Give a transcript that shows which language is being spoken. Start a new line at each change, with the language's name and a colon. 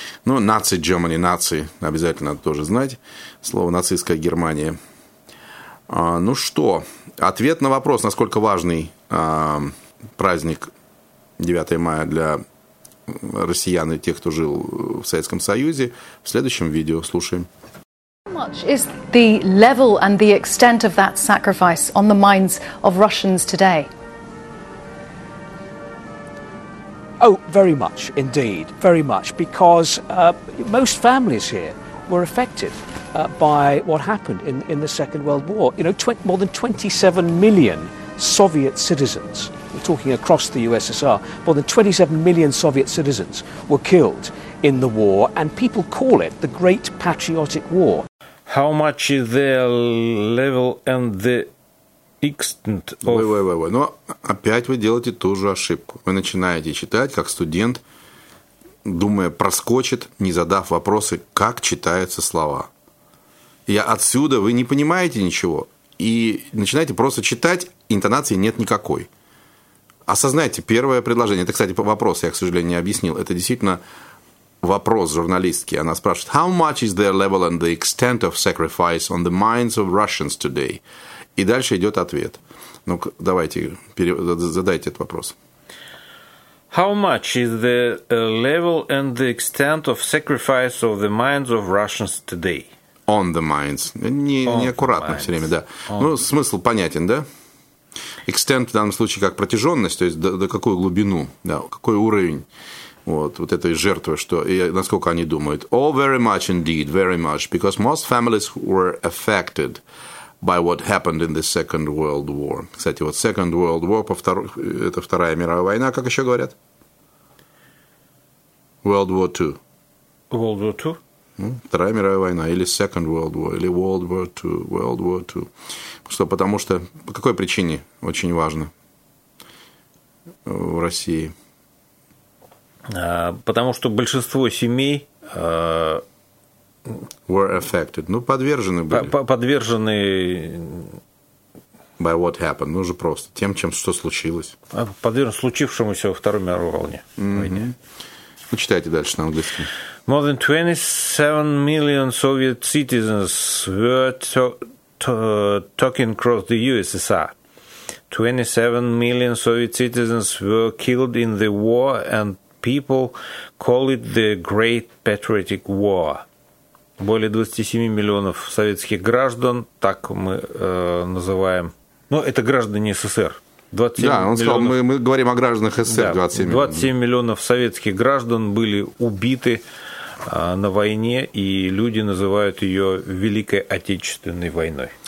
Russian: Ну, Nazi Germany, нации, обязательно надо тоже знать. Слово нацистская Германия. Ну что, ответ на вопрос, насколько важный праздник 9 мая для... россиян и тех, кто жил в Советском Союзе. В следующем видео слушаем.
English: How much is the level and the extent of that sacrifice on the minds of Russians today? Oh, very much indeed, very much, because most families here were affected by what happened in the Second World War. You know, more than 27 million Soviet citizens, we're talking across the USSR, more than 27 million Soviet citizens were killed in the war, and people call it the Great Patriotic War. How much is the level and the extent of... Wait.
Russian: Но опять вы делаете ту же ошибку. Вы начинаете читать, как студент, думая, проскочит, не задав вопросы, как читаются слова. Я отсюда, вы не понимаете ничего. И начинаете просто читать, интонации нет никакой. Осознайте, первое предложение. Это, кстати, вопрос, я, к сожалению, не объяснил. Это действительно вопрос журналистки. Она спрашивает,
English: how much is their level and the extent of sacrifice on the minds of Russians today?
Russian: И дальше идет ответ. Ну, давайте, задайте этот вопрос.
English: How much is the level and the extent of sacrifice of the minds of Russians today? On the minds.
Russian: Неаккуратно все время, да. Ну, смысл понятен, да? Extent в данном случае как протяженность, то есть до какую глубину, да, какой уровень вот этой жертвы, что, и насколько они думают.
English: Oh, very much indeed, very much, because most families were affected by what happened in the Second World War.
Russian: Кстати, вот Second World War, это Вторая мировая война, как еще говорят?
English: World War II. World War II?
Russian: Вторая мировая война, или Second World War, или World War II, World War II. Что, потому что, по какой причине очень важно в России? Потому что большинство семей...
English: Were affected.
Russian: Ну, подвержены были. Подвержены...
English: By what happened.
Russian: Ну, уже просто. Тем, чем что случилось. Подвержены случившемуся во Второй мировой войне. Войне. Ну, читайте дальше на английском.
English: More than 27 million Soviet citizens were talking across the USSR. 27 million Soviet citizens were killed in the war, and people call it the Great Patriotic War.
Russian: Более 27 миллионов советских граждан, так мы называем. Ну, это граждане СССР. Да, он миллионов... сказал, мы говорим о гражданах СССР, да, 27 миллионов советских граждан были убиты на войне, и люди называют ее Великой Отечественной войной.